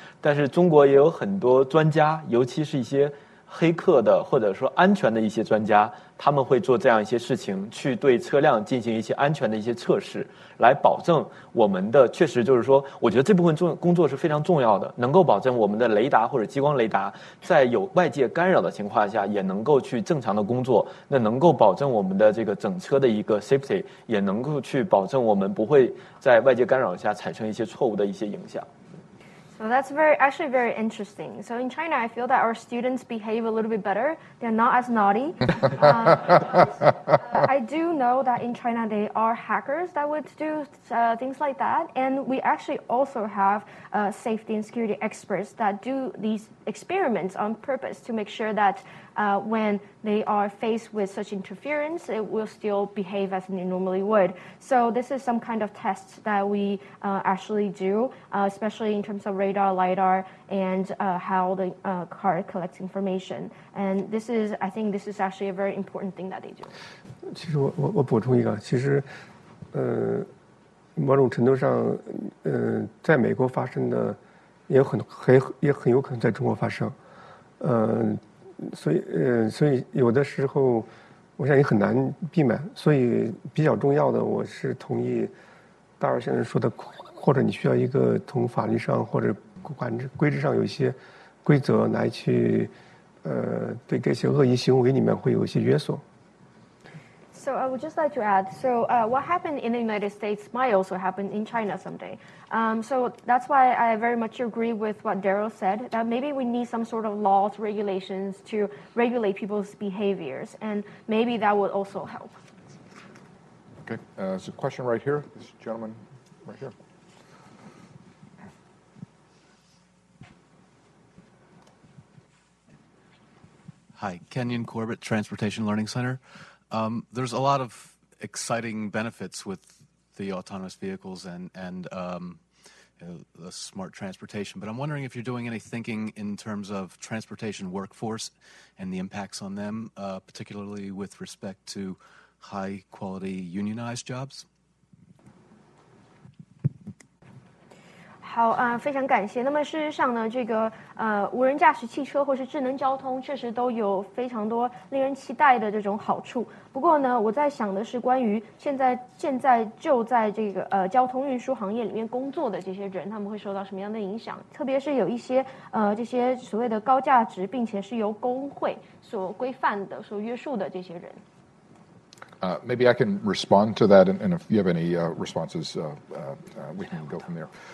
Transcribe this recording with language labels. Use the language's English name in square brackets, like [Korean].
[Chinese] 但是中国也有很多专家，尤其是一些黑客的或者说安全的一些专家，他们会做这样一些事情，去对车辆进行一些安全的一些测试，来保证我们的确实就是说，我觉得这部分工作是非常重要的，能够保证我们的雷达或者激光雷达在有外界干扰的情况下也能够去正常的工作，那能够保证我们的这个整车的一个 safety， 也能够去保证我们不会在外界干扰下产生一些错误的一些影响。 [English] So that's actually very interesting. So in China, I feel that our students behave a little bit better. They're not as naughty. I do know that in China, there are hackers that would do things like that. And we actually also have safety and security experts that do these experiments on purpose to make sure that when they are faced with such interference, it will still behave as it normally would. So this is some kind of test that we actually do, especially in terms of radar, LiDAR, and how the car collects information. And this is actually a very important thing that they do. [Chinese] 其实我补充一个，其实某种程度上在美国发生的也很有可能在中国发生。所以有的时候我想也很难避免，所以比较重要的，我是同意大二先生说的或者你需要一个从法律上或者管制规制上有些规则来去对这些恶意行为里面会有一些约束。 [English] So I would just like to add, so what happened in the United States might also happen in China someday. So that's why I very much agree with what Daryl said, that maybe we need some sort of laws, regulations to regulate people's behaviors, and maybe that would also help. Okay, there's a question right here, this gentleman right here. Hi, Kenyon Corbett, Transportation Learning Center. There's a lot of exciting benefits with the autonomous vehicles and the smart transportation, but I'm wondering if you're doing any thinking in terms of transportation workforce and the impacts on them, particularly with respect to high-quality unionized jobs? [Chinese] 好，非常感谢。那么事实上呢，这个无人驾驶汽车或是智能交通确实都有非常多令人期待的这种好处。不过呢，我在想的是关于现在就在这个交通运输行业里面工作的这些人，他们会受到什么样的影响？特别是有一些这些所谓的高价值，并且是由工会所规范的、所约束的这些人。 [English] Maybe I can respond to that, and if you have any responses, we can go from there.